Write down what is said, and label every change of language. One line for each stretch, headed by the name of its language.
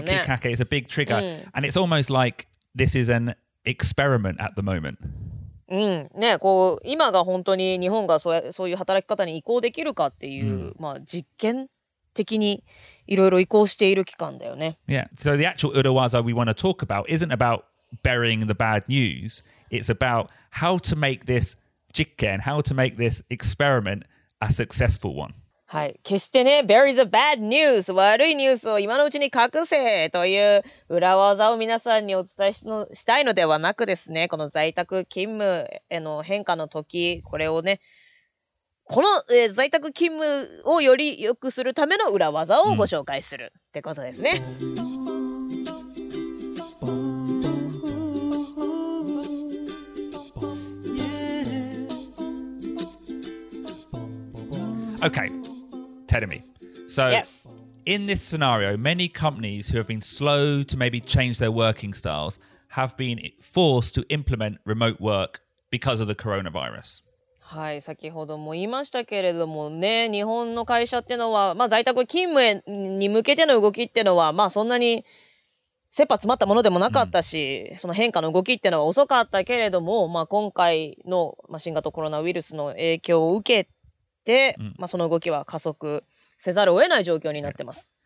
English: It's a big きっかけ、it's a big trigger,、and it's almost like this is an experiment at the moment.
Japanese: ね、こう今が本当に日本がそういう働き方に移行できるかっていう、まあ、実験的にいろいろ移行している期間だよね。
English: Yeah, so the actual urawaza we want to talk about isn't aboutburying the bad news. It's about how to make this jikken, how to make this experiment a successful one.
Japanese: はい、決してね、
English: bury the bad news,
Japanese: 悪いニュースを今のうちに隠せという裏技を皆さんにお伝えしたいのではなくですね、この在宅勤務への変化の時、これをね、この、在宅勤務をより良くするための裏技をご紹介するってことですね。
English: Okay, Terumi. So、 yes. in this scenario, many companies who have been slow to maybe change their working styles have been forced to implement remote work because of the coronavirus.
Japanese: はい、先ほども言いましたけれどもね、日本の会社ってのは、まあ、在宅勤務に向けての動きってのは、まあ、そんなに切羽詰まったものでもなかったし、その変化の動きってのは遅かったけれども、まあ、今回の、まあ、新型コロナウイルスの影響を受けてで、まあ、その動きは加速せざるを得ない状況になってます。